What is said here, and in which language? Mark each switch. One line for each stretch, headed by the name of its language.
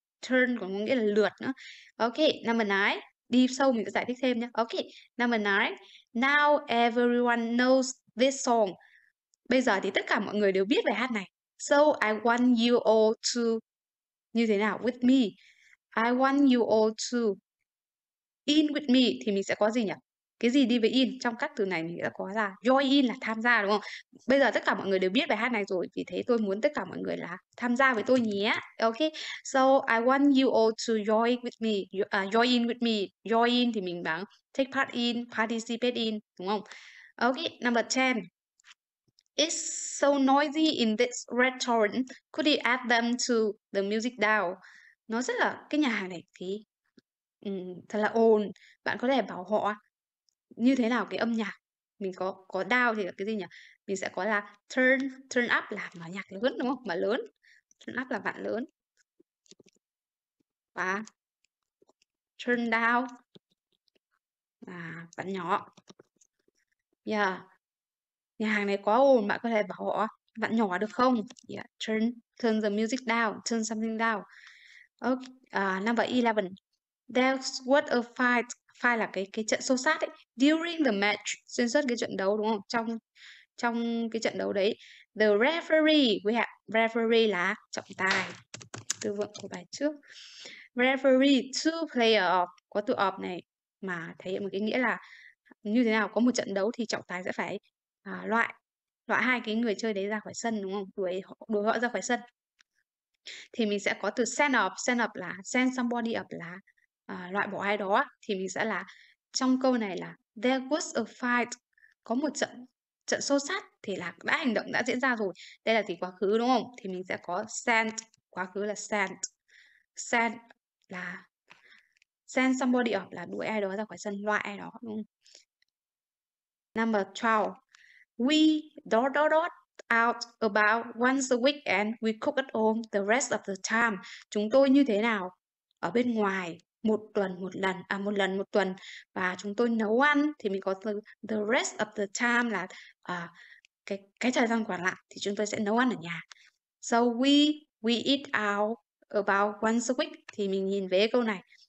Vietnamese: Turn còn có nghĩa là lượt nữa.
English: Ok, number 9.
Vietnamese: Đi sâu mình sẽ giải thích thêm nhé.
English: Ok, number 9. Now everyone knows this song.
Vietnamese: Bây giờ thì tất cả mọi người đều biết bài hát này.
English: So I want you all to,
Vietnamese: như thế nào?
English: With me. I want you all to in with me.
Vietnamese: Thì mình sẽ có gì nhỉ? Cái gì đi với in? Trong các từ này mình đã có là join in là tham gia, đúng không? Bây giờ tất cả mọi người đều biết bài hát này rồi, vì thế tôi muốn tất cả mọi người là tham gia với tôi nhé.
English: Ok, so I want you all to join with me, join in with me.
Vietnamese: Join in thì mình bảo take part in, participate in, đúng không?
English: Ok, number 10. It's so noisy in this restaurant. Could you add them to the music down?
Vietnamese: Nó rất là, cái nhà hàng này thì thật là ồn. Bạn có thể bảo họ như thế nào cái âm nhạc, mình có down thì là cái gì nhỉ, mình sẽ có là turn, turn up là mở nhạc lớn, đúng không? Mở lớn, turn up là bạn lớn, và turn down là bạn nhỏ. Nhà hàng này quá ồn, bạn có thể bảo họ bạn nhỏ được không?
English: Turn, turn the music down, turn something down. Okay, number 11. There was a fight
Vietnamese: Phai là cái trận xô xát ấy,
English: during the match,
Vietnamese: xuyên suốt cái trận đấu đúng không? Trong trong cái trận đấu đấy,
English: the referee,
Vietnamese: với hạ referee là trọng tài. Từ vựng của bài trước. Referee to player, có từ of này mà thể hiện một cái nghĩa là như thế nào, có một trận đấu thì trọng tài sẽ phải loại loại hai cái người chơi đấy ra khỏi sân đúng không? Đuổi họ ra khỏi sân. Thì mình sẽ có từ send off là send somebody up là loại bỏ ai đó, thì mình sẽ là trong câu này là
English: there was a fight,
Vietnamese: có một trận trận xô xát thì là đã hành động đã diễn ra rồi, đây là thì quá khứ đúng không, thì mình sẽ có sent, quá khứ là sent, sent là send somebody up là đuổi ai đó ra khỏi sân, loại ai đó đúng không.
English: Number 12, we dot dot dot out about once a week and we cook at home the rest of the time.
Vietnamese: Chúng tôi như thế nào? Ở bên ngoài một tuần một lần, à một lần một tuần, và chúng tôi nấu ăn, thì mình có
English: the rest of the time
Vietnamese: là cái thời gian còn lại thì chúng tôi sẽ nấu ăn ở nhà.
English: So we eat out about once a week,
Vietnamese: thì mình nhìn về câu này.